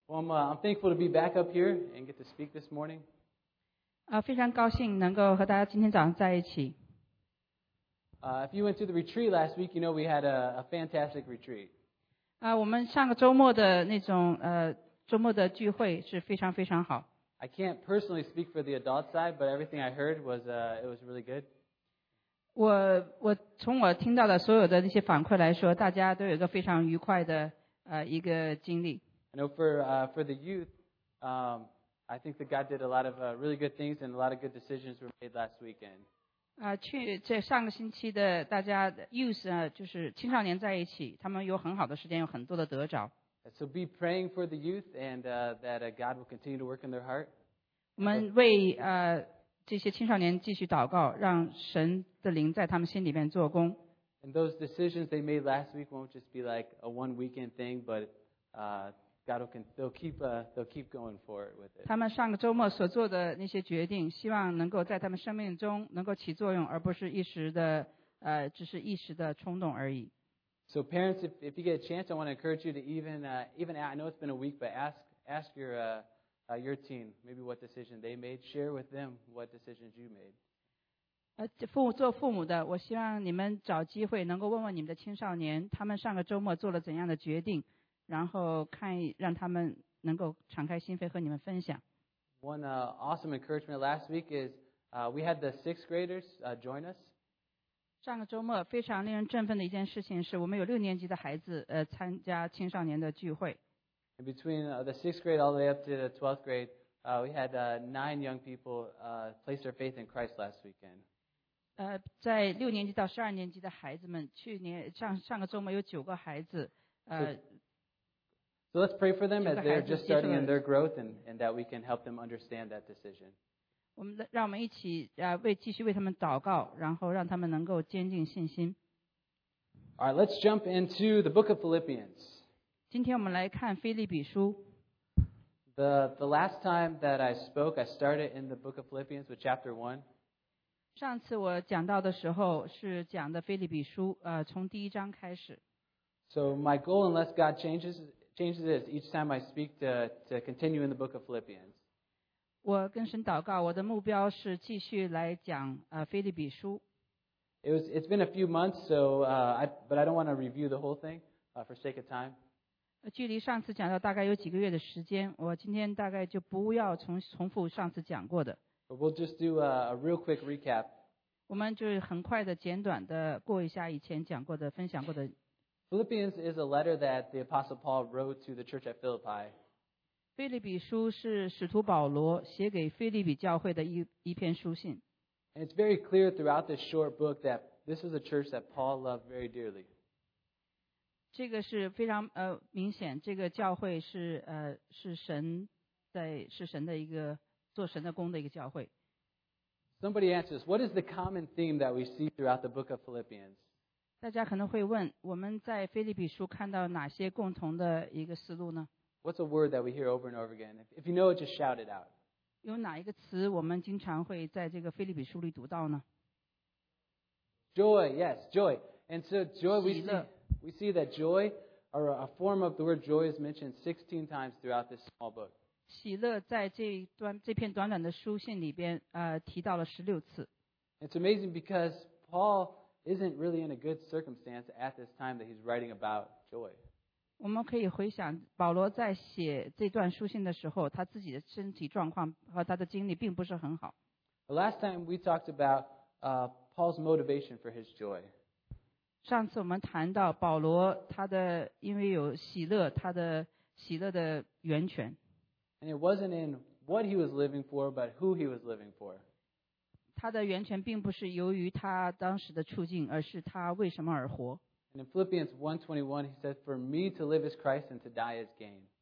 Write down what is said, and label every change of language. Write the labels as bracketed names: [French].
[English] Well, I'm thankful to be back up here and get to speak this morning. [Chinese] 非常高兴能够和大家今天早上在一起。 [English] If you went to the retreat last week, you know we had a fantastic retreat. [Chinese] 我们上个周末的那种周末的聚会是非常非常好。 [English] I can't personally speak for the adult side, but everything I heard was it was really good. [Chinese] 我从我听到的所有的那些反馈来说，大家都有一个非常愉快的一个经历。 [English] I know for the youth, I think that God did a lot of really good things and a lot of good decisions were made last weekend. [Chinese] 这上个星期的大家 youth 就是青少年在一起，他们有很好的时间，有很多的得着。 [English] So be praying for the youth and that God will continue to work in their heart. [Chinese] 我们为这些青少年继续祷告，让神的灵在他们心里面做工。 [English] And those decisions they made last week won't just be like a one weekend thing, but God will they'll keep going for it with it. [Chinese] 他们上个周末所做的那些决定，希望能够在他们生命中能够起作用，而不是一时的只是一时的冲动而已。 [English] So parents, if you get a chance, I want to encourage you to even I know it's been a week, but ask your teen maybe what decision they made. Share with them what decisions you made. [Chinese] 做父母的，我希望你们找机会能够问问你们的青少年，他们上个周末做了怎样的决定，然后看让他们能够敞开心扉和你们分享。 [English] One awesome encouragement last week is we had the sixth graders join us. [Chinese] 上个周末非常令人振奋的一件事情是我们有六年级的孩子参加青少年的聚会。 [English] And between the sixth grade all the way up to the 12th grade, we had nine young people place their faith in Christ last weekend. [Chinese] 在六年级到十二年级的孩子们，去年上个周末有九个孩子 [English] So let's pray for them as they're just starting in their growth and that we can help them understand that decision. [Chinese] 让我们一起继续为他们祷告，然后让他们能够坚定信心。 [English] All right, let's jump into the book of Philippians. [Chinese] 今天我们来看腓立比书。 [English] The last time that I spoke, I started in the book of Philippians with chapter 1. [Chinese] 上次我讲到的时候是讲的腓立比书从第一章开始。 [English] So my goal, unless God changes this each time I speak to continue in the book of Philippians. [Chinese] 我跟神祷告，我的目标是继续来讲腓立比书。 [English] It's been a few months, so but I don't want to review the whole thing for sake of time. [Chinese] 距离上次讲到大概有几个月的时间，我今天大概就不要重复上次讲过的。 [English] But we'll just do a real quick recap. [Chinese] 我们就很快的简短的过一下以前讲过的分享过的。 [English] Philippians is a letter that the Apostle Paul wrote to the church at Philippi. [Chinese] 腓立比书是使徒保罗写给腓立比教会的一篇书信。 [English] And it's very clear throughout this short book that this is a church that Paul loved very dearly. [Chinese] 这个是非常明显，这个教会是是神的一个做神的工的一个教会。 [English] Somebody answers, what is the common theme that we see throughout the book of Philippians? [Chinese] 大家可能会问，我们在腓立比书看到哪些共同的一个思路呢？ [English] What's a word that we hear over and over again? If you know it, just shout it out. [Chinese] 有哪一个词我们经常会在这个腓立比书里读到呢？ [English] Joy, yes, joy. And so joy, we see that joy, or a form of the word joy, is mentioned 16 times throughout this small book. [Chinese] 喜乐在这篇短短的书信里边提到了16次。 [English] It's amazing because Paul... isn't really in a good circumstance at this time that he's writing about joy. [Chinese] 我们可以回想保罗在写这段书信的时候，他自己的身体状况和他的经历并不是很好。 [English] The last time we talked about Paul's motivation for his joy. [Chinese] 上次我们谈到保罗他的因为有喜乐，他的喜乐的源泉。 [English] And it wasn't in what he was living for, but who he was living for. [Chinese] 他的源泉并不是由于他当时的处境，而是他为什么而活。 [English] And in Philippians 1:21, he says, "For me to live is Christ, and to die is gain."